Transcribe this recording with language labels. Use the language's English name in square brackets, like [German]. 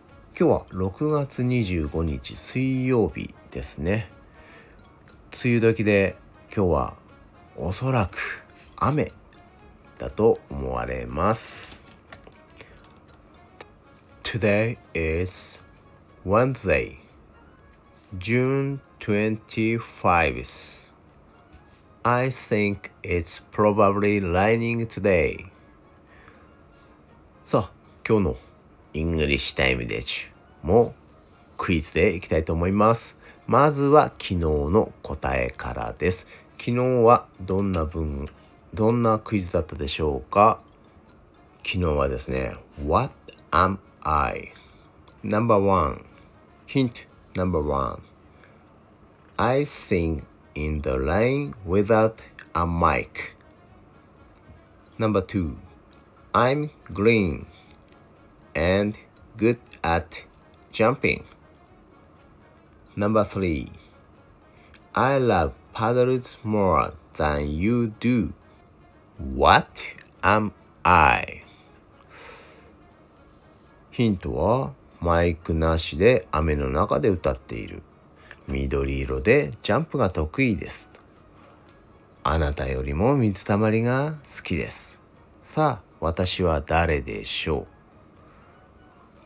[Japanese] 今日は6月25日水曜日ですね。梅雨時で今日はおそらく雨だと思われます。 [English] Today is Wednesday June 25th. I think it's probably raining today. [Japanese] さあ、今日のイングリッシュタイムデッチもクイズでいきたいと思います。まずは昨日の答えからです。昨日はどんなクイズだったでしょうか？昨日はですね、 [English] What am I? Number one. Hint number one. I singIn the rain without a mic. Number two, I'm green and good at jumping. Number three, I love puddles more than you do. What am I? [Japanese] ヒントはマイクなしで雨の中で歌っている。緑色でジャンプが得意です。あなたよりも水たまりが好きです。さあ、私は誰でしょう？